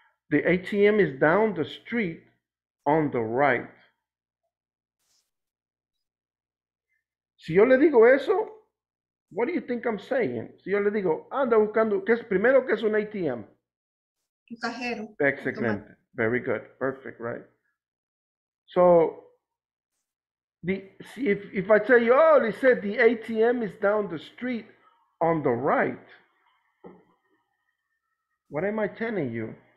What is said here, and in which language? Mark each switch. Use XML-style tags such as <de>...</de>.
<en>The ATM is down the street on the right.</en> <es>Si yo le digo eso,</es> <en>what do you think I'm saying?</en> <es>Si yo le digo, anda buscando, ¿qué es primero que es un ATM? Un cajero.</es> <en>Excellent. Very good. Perfect, right? So, if I tell you, oh, they said the ATM is down the street on the right, what am I telling you?</en>